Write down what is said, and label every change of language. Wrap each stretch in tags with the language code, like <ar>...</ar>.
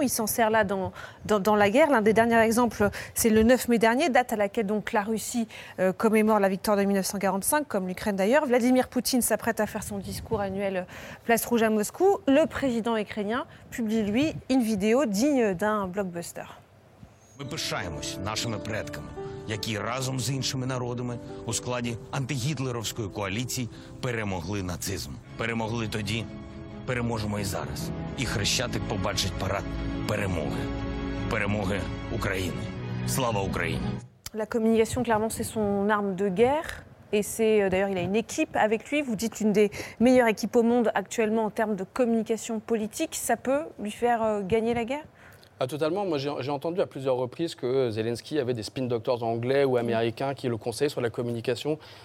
<fr>Il s'en sert là dans la guerre. L'un des derniers exemples, c'est le 9 mai dernier, date à laquelle donc la Russie commémore la victoire de 1945, comme l'Ukraine d'ailleurs. Vladimir Poutine s'apprête à faire son discours annuel Place Rouge à Moscou. Le président ukrainien publie, lui, une vidéo digne d'un blockbuster.</fr> <uk>Ми пишаємось нашими предками, які разом з іншими народами у складі антигітлерівської коаліції перемогли нацизм. Перемогли тоді, переможемо і зараз. І Хрещатик побачить парад перемоги. Перемоги України. Слава Україні!</uk> <fr>La communication, clairement, c'est son arme de guerre. Et c'est d'ailleurs, il a une équipe avec lui. Vous dites une des meilleures équipes au monde actuellement en termes de communication politique. Ça peut lui faire gagner la guerre? Ah, totalement. Moi, j'ai entendu à plusieurs reprises que Zelensky avait des spin doctors anglais ou américains qui le conseillaient sur la communication.</fr>